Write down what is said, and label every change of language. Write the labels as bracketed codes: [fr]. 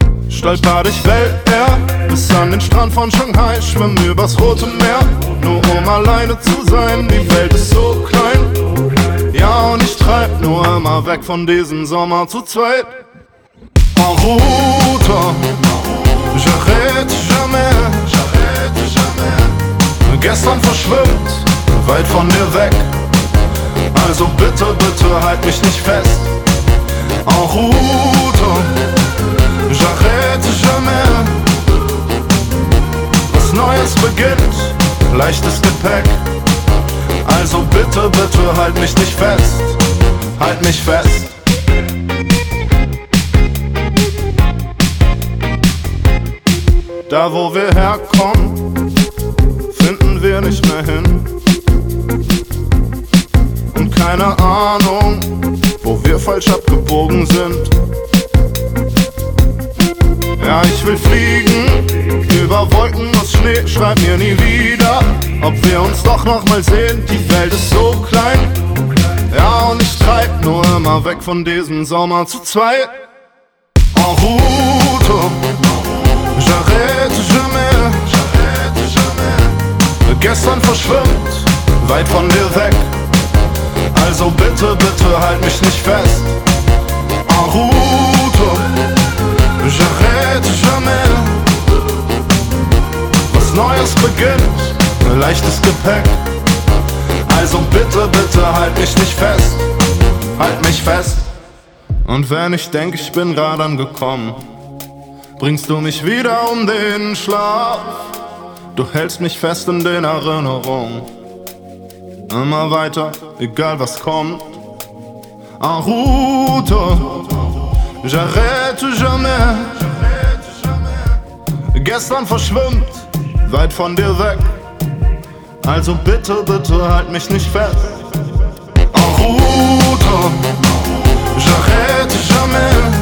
[de] Stolper durch Weltmeer, bis an den Strand von Shanghai, schwimm übers Rote Meer, nur um alleine zu sein. Die Welt ist so klein, ja, und ich treib nur immer weg von diesem Sommer zu zweit. [fr] Maruta, j'arrête jamais, j'arrête jamais. [de] Gestern verschwimmt, weit von dir weg. Also bitte, bitte halt mich nicht fest. [fr] En route, j'arrête jamais. [de] Was Neues beginnt, leichtes Gepäck. Also bitte, bitte halt mich nicht fest. Halt mich fest. Da wo wir herkommen, finden wir nicht mehr hin. Und keine Ahnung, wo wir falsch abgebogen sind. Ja, ich will fliegen über Wolken aus Schnee. Schreib mir nie wieder, ob wir uns doch nochmal sehen. Die Welt ist so klein, ja, und ich treib nur immer weg von diesem Sommer zu zweit. [fr] En route, j'arrête jamais, j'arrête jamais. [de] Gestern verschwimmt, weit von dir weg. Also bitte, bitte halt mich nicht fest. [fr] En route, j'arrête jamais. [de] Was Neues beginnt, leichtes Gepäck. Also bitte, bitte halt mich nicht fest. Halt mich fest. Und wenn ich denk, ich bin grad angekommen, bringst du mich wieder um den Schlaf. Du hältst mich fest in den Erinnerungen. Immer weiter, egal was kommt. [fr] En route, j'arrête jamais. [de] Gestern verschwimmt, weit von dir weg. Also bitte, bitte halt mich nicht fest. [fr] En route, j'arrête jamais.